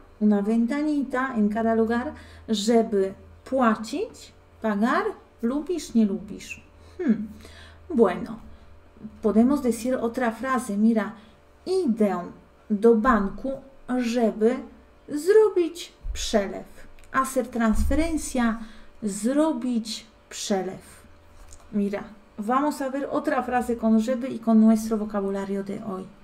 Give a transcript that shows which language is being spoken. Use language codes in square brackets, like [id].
[es] Una ventanita en cada lugar, [pl] żeby płacić, [es] pagar, [pl] lubisz, nie lubisz. [es] Bueno, podemos decir otra frase. Mira, [pl] idę do banku, żeby zrobić przelew. [es] Hacer transferencia, [pl] zrobić przelew. [es] Mira, vamos a ver otra frase con żeby y con nuestro vocabulario de hoy.